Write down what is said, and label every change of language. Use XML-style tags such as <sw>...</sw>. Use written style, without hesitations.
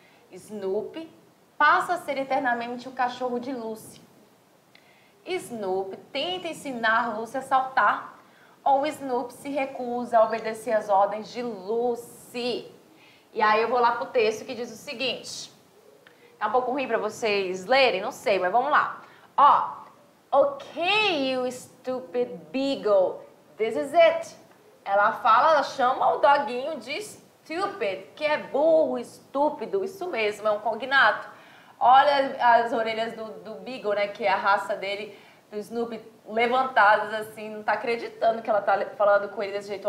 <pt>Snoopy passa a ser eternamente o cachorro de Lucy. Snoopy tenta ensinar Lucy a saltar ou Snoopy se recusa a obedecer às ordens de Lucy. E aí eu vou lá pro texto que diz o seguinte. Tá um pouco ruim para vocês lerem? Não sei, mas vamos lá.</pt> <en>Ó, ok, you stupid beagle, this is it.</en> <pt>Ela fala, ela chama o doguinho de stupid, que é burro, estúpido, isso mesmo, é um cognato. Olha as orelhas do beagle, né, que é a raça dele, do Snoopy, levantadas assim, não tá acreditando que ela tá falando com ele desse jeito.</pt>